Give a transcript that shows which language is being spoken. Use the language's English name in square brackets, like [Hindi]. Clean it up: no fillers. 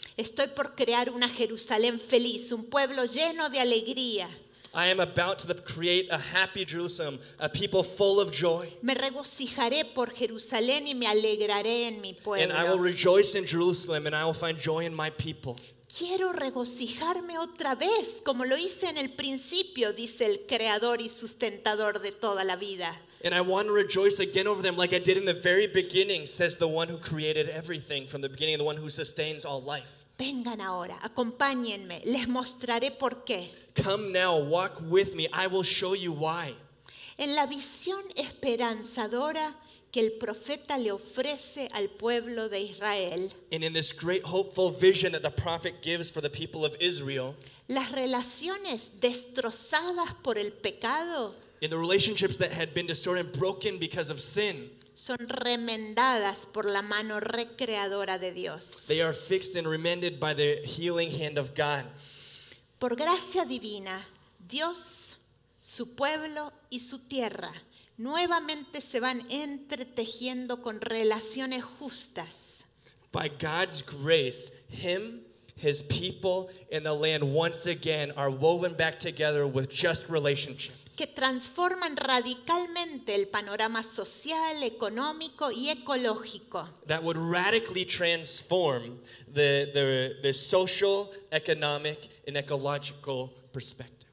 [Spanish] Estoy por crear una Jerusalén feliz, un pueblo lleno de alegría. [English] I am about to create a happy Jerusalem, a people full of joy. [Spanish] Me regocijaré por Jerusalén y me alegraré en mi pueblo. [English] And I will rejoice in Jerusalem and I will find joy in my people. [Spanish] Quiero regocijarme otra vez, como lo hice en el principio, dice el creador y sustentador de toda la vida. [English] And I want to rejoice again over them like I did in the very beginning, says the one who created everything from the beginning, the one who sustains all life. [Spanish] Vengan ahora, acompáñenme, les mostraré por qué. [English] Come now, walk with me, I will show you why. [Spanish] En la visión esperanzadora que el profeta le ofrece al pueblo de Israel. [English] And in this great hopeful vision that the prophet gives for the people of Israel. [Spanish] Las relaciones destrozadas por el pecado. [English] In the relationships that had been destroyed and broken because of sin. [Spanish] Son remendadas por la mano recreadora de Dios. [English] They are fixed and remended by the healing hand of God. [Spanish] Por gracia divina, Dios, su pueblo y su tierra nuevamente se van entretejiendo con relaciones justas. [English] By God's grace, him, his people, and the land once again are woven back together with just relationships. [Spanish] Que transforman radicalmente el panorama social, económico y ecológico. [English] That would radically transform the social, economic, and ecological perspective.